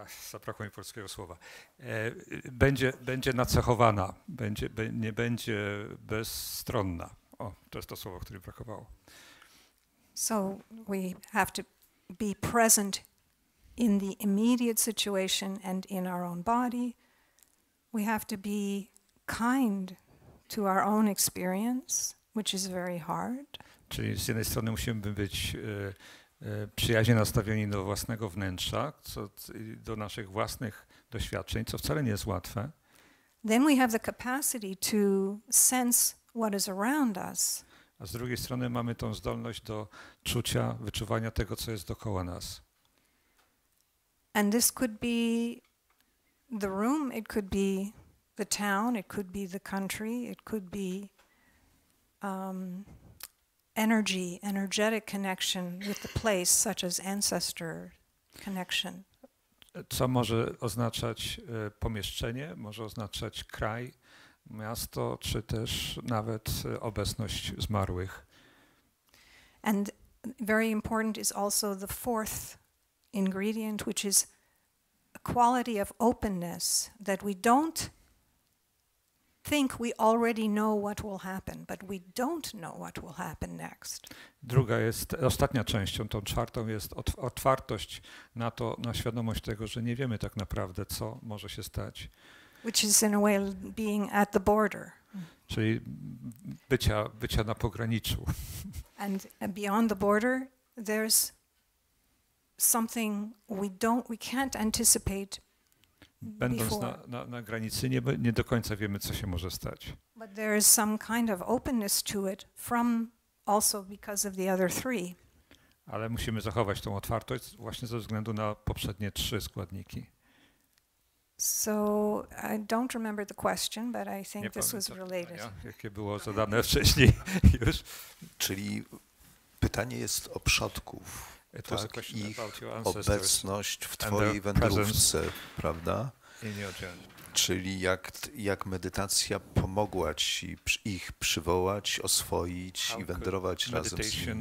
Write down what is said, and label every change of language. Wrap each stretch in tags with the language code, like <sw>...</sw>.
<pl>Zabrakło mi polskiego słowa. Będzie nacechowana, nie będzie bezstronna. O, to jest to słowo, które brakowało.</pl> <en>So we have to be present in the immediate situation and in our own body. We have to be kind to our own experience, which is very hard.</en> <pl>Czyli z jednej strony musimy być przyjaźnie nastawieni do własnego wnętrza, do naszych własnych doświadczeń, co wcale nie jest łatwe.</pl> <en>Then we have the capacity to sense what is around us.</en> <pl>A z drugiej strony mamy tą zdolność do czucia, wyczuwania tego, co jest dookoła nas.</pl> <en>And this could be the room, it could be the town, it could be the country, it could be energy, energetic connection with the place, such as ancestor connection.</en> <pl>Co może oznaczać pomieszczenie, może oznaczać kraj, miasto, czy też nawet obecność zmarłych.</pl> <en>And very important is also the fourth ingredient, which is a quality of openness, that we don't think we already know what will happen, but we don't know what will happen next.</en> <pl>Druga jest, ostatnia częścią, tą czwartą jest otwartość na to, na świadomość tego, że nie wiemy tak naprawdę, co może się stać.</pl> <en>Which is in a way being at the border.</en> <pl>Czyli bycia na pograniczu.</pl> <en>And beyond the border, there's something we can't anticipate.</en> <pl>Będąc na granicy, nie do końca wiemy, co się może stać.</pl> <en>But there is some kind of openness to it from also because of the other three.</en> <pl>Ale musimy zachować tą otwartość właśnie ze względu na poprzednie trzy składniki.</pl> <en>So I don't remember the question, but I think this was related.</en> <pl>Jakie było zadane wcześniej już. Czyli pytanie jest o przodków. To tak, ich obecność w twojej wędrówce, prawda? Czyli jak medytacja pomogła ci ich przywołać, oswoić i wędrować razem z</pl>